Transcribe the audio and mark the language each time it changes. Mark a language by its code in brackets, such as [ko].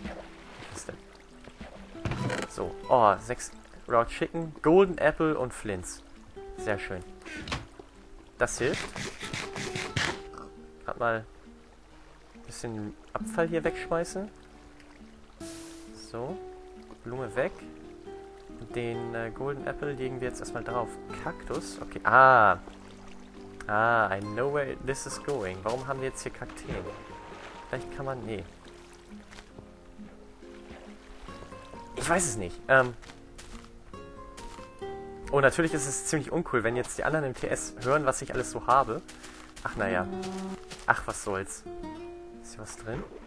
[de] Eine Kiste. So, oh, 6 Raw Chicken, Golden Apple und Flints. Sehr schön. Das hilft. Hat mal... bisschen Abfall hier wegschmeißen. So. Blume weg. Den Golden Apple legen wir jetzt erstmal drauf. Kaktus. Okay. Ah. [en] Ah, I know where this is going. [de] Warum haben wir jetzt hier Kakteen? Vielleicht kann man... Nee. Ich weiß es nicht. Oh, natürlich ist es ziemlich uncool, wenn jetzt die anderen im TS hören, was ich alles so habe. Ach, naja. Ach, was soll's. Ist hier was drin?